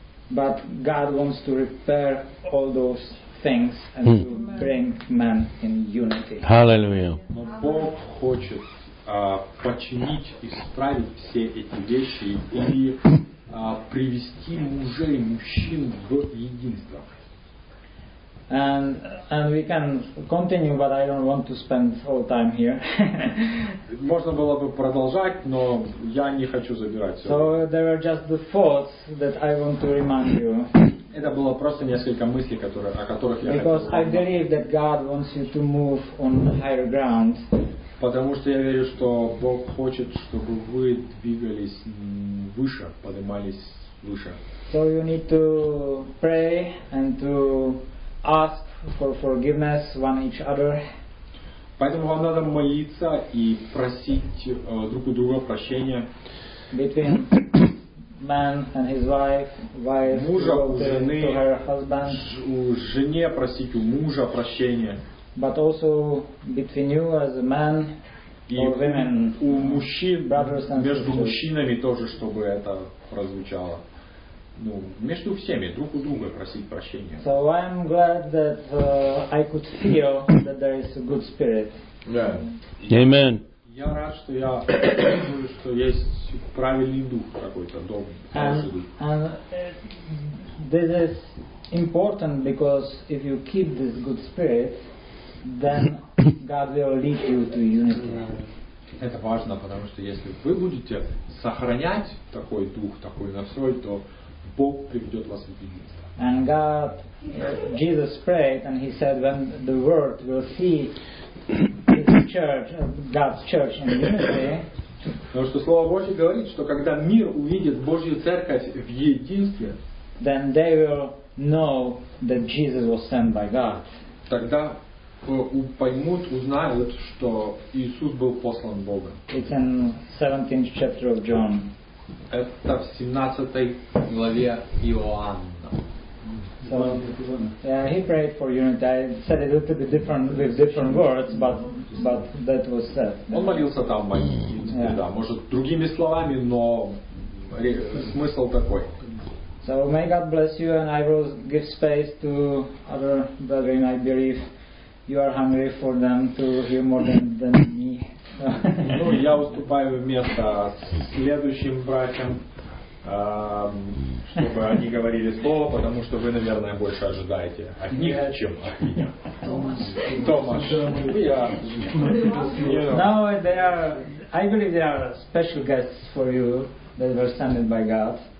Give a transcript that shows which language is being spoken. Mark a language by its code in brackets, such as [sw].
[en] But God wants to repair all those things and to bring men in unity. Hallelujah. [ru] Но Бог хочет починить, исправить все эти вещи и привести мужей, мужчин в единство. [en] And we can continue, but I don't want to spend all time here. [ru] Можно было бы продолжать, но я не хочу забирать все. [en] So there are just the thoughts that I want to remind you. [ru] Это было просто несколько мыслей, которые, о которых я. [en] Because I believe that God wants you to move on higher ground. [ru] Потому что я верю, что Бог хочет, чтобы вы двигались выше, поднимались выше. [en] So you need to pray and to ask for forgiveness one each other. [ru] Поэтому вам надо молиться и просить друг у друга прощения. [en] Between man and his wife, wife [ru] мужа у жены, [en] to her husband. [ru] У жене просить у мужа прощения. [en] But also between you as a man or women, [ru] у мужчин, [en] brothers and [ru] между [en] sisters. [ru] Мужчинами тоже, чтобы это прозвучало. Ну, между всеми, друг у друга просить прощения. [en] So I'm glad that I could feel that there is a good spirit. Yeah. Amen. [ru] Я рад, что я чувствую, что есть правильный дух какой-то, добрый, хороший дух. [en] And this is important because if you keep this good spirit, then God will lead you to unity. [ru] Это важно, потому что если вы будете сохранять такой дух, такой настрой, то Бог приведет вас в единство. [en] And God, Jesus prayed, and he said, when the world will see his church, God's church in unity. [ru] Потому что Слово Божье говорит, что когда мир увидит Божью церковь в единстве, [en] then they will know that Jesus was sent by God. [ru] Тогда поймут, узнают, что Иисус был послан Богом. [en] It's in 17th chapter of John. [ru] Это в 17 главе Иоанна. [en] So, he prayed for unity. I said it a little bit different with different words, but that was said. [ru] Он молился там, да, может другими словами, но смысл такой. [en] So may God bless you, and I will give space to other brethren. I believe you are hungry for them to hear more than me. [ru] Ну, я уступаю место следующим братьям, чтобы они говорили слово, потому что вы, наверное, больше ожидаете от них, чем от меня. Томаш. [en] Now they are, I believe they are special guests for you that were sent by God.